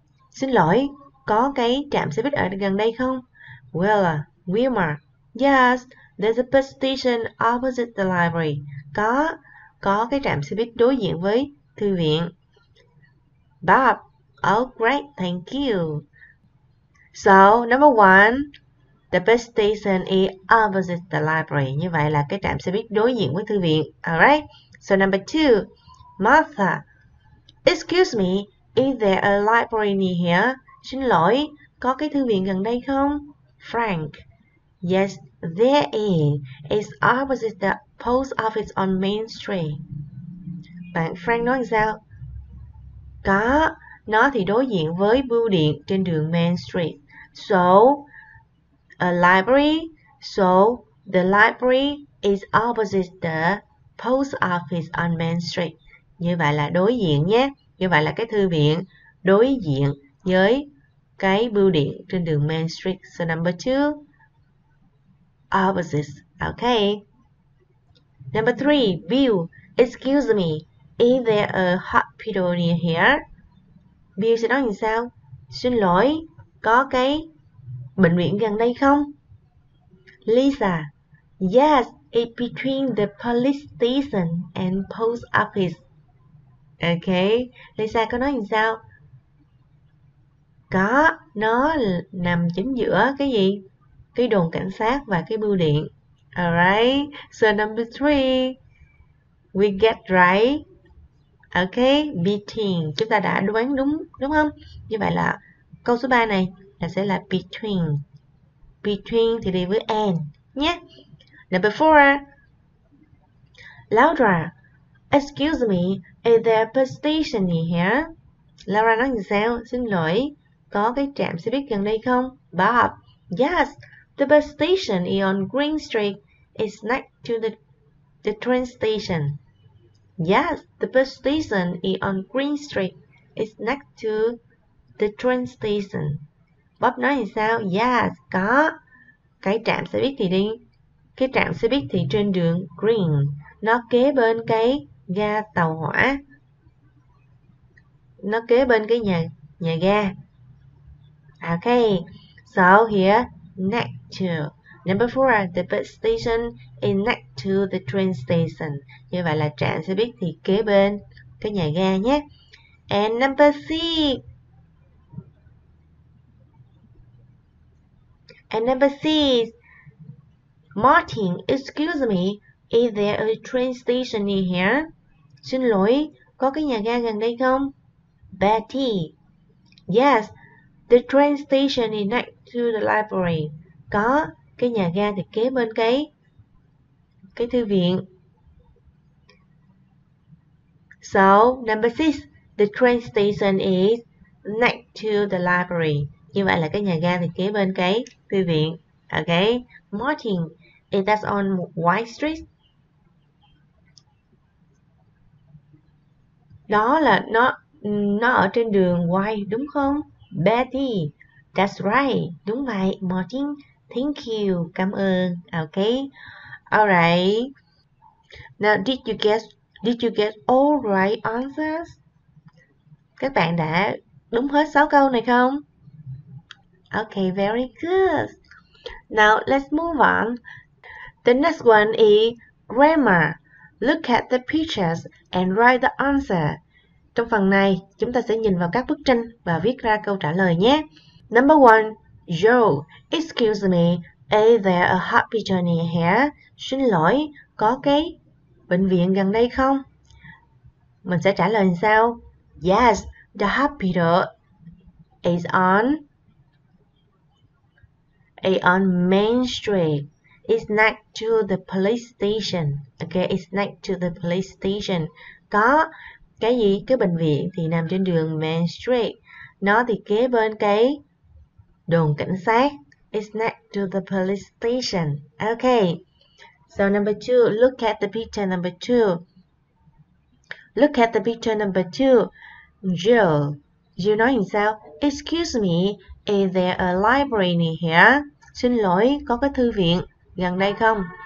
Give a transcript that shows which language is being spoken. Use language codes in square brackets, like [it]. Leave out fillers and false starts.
[vi] Xin lỗi, có cái trạm xe buýt ở gần đây không? [en] Well, Wilma, yes, there's a bus station opposite the library. [vi] Có cái trạm xe buýt đối diện với thư viện. [en] Bob, oh great, thank you. So, number one, the bus station is opposite the library. [vi] Như vậy là cái trạm xe buýt đối diện với thư viện. [en] Alright, so number two, Martha, excuse me, is there a library near here? [vi] Xin lỗi, có cái thư viện gần đây không? [en] Frank, yes, there is. It's opposite the post office on Main Street. [vi] Bạn Frank nói sao? Có, nó thì đối diện với bưu điện trên đường Main Street. [en] So, a library. So, the library is opposite the post office on Main Street. [vi] Như vậy là đối diện nhé. Như vậy là cái thư viện đối diện với cái bưu điện trên đường Main Street. [en] So number two, opposite. Okay. Number three, Bill, excuse me, is there a hospital near here? [vi] Bill sẽ nói như sao? Xin lỗi, có cái bệnh viện gần đây không? [en] Lisa, yes, it's between the police station and post office. [vi] Okay, Lisa có nói như sao? Có, nó nằm chính giữa cái gì? Cái đồn cảnh sát và cái bưu điện. [en] Alright, so number three, we get right. [vi] Okay, between, chúng ta đã đoán đúng không? Như vậy là câu số 3 này là sẽ là between. Between thì đi với and nhé. [en] Number 4, Laura, excuse me, is there a bus station near here? Laura [vi] nói như sao? Xin lỗi, có cái trạm xe buýt gần đây không? [en] Bob, yes, the bus station is on Green Street. It's next to the train station. Yes, the bus station is on Green Street. It's next to the train station. Bob [vi] nói như sao? Yes, có. Cái trạm xe buýt thì đi. Cái trạm xe buýt thì trên đường Green. Nó kế bên cái ga tàu hỏa. Nó kế bên cái nhà ga. Okay, [en] so here, next to. Number 4, the bus station is next to the train station. [vi] Như vậy là trạm xe buýt thì kế bên cái nhà ga nhé. [en] And number 6. And number 6. Martin, excuse me, is there a train station near here? [vi] Xin lỗi, có cái nhà ga gần đây không? [en] Betty, yes, the train station is next to the library. [vi] Có. Cái nhà ga thì kế bên cái thư viện. [en] So, number 6, the train station is next to the library. [vi] Như vậy là cái nhà ga thì kế bên cái thư viện. Okay, Martin, [en] is that on White Street? [vi] Đó là nó ở trên đường White, đúng không? [en] Betty, that's right. [vi] Đúng vậy, [en] Martin. Thank you. [vi] Cảm ơn. [en] Okay. Alright. Now, did you get all right answers? [vi] Các bạn đã đúng hết 6 câu này không? [en] Okay, very good. Now, let's move on. The next one is Grandma, look at the pictures and write the answer. [vi] Trong phần này, chúng ta sẽ nhìn vào các bức tranh và viết ra câu trả lời nhé. [en] Number 1. Joe, excuse me, is there a hospital near here? [vi] Xin lỗi, có cái bệnh viện gần đây không? Mình sẽ trả lời sao? [en] Yes, the hospital is on Main Street. It's next to the police station. Okay, it's next to the police station. [vi] Có cái gì? Cái bệnh viện thì nằm trên đường Main Street. Nó thì kế bên cái đồn cảnh sát. [en] It's next to the police station. Okay. So number 2, look at the picture number 2. Look at the picture number 2. Jill [vi] nói như sao? [en] Excuse me, is there a library near here? [vi] Xin lỗi, có cái thư viện gần đây không?